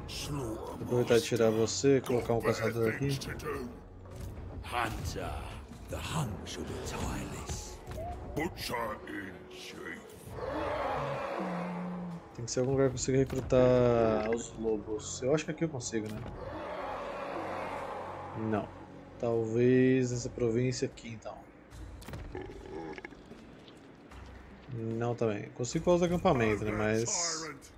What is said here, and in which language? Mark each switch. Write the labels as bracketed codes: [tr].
[pt] Vou aproveitar e tirar você e colocar um caçador aqui. [en] Hunter, the hunt should be tireless. Butcher in chief. [pt] Tem que ser algum lugar que eu consiga recrutar os lobos. Eu acho que aqui eu consigo, né? Não. Talvez nessa província aqui, então. Não também. Consigo fazer acampamento, né? Mas.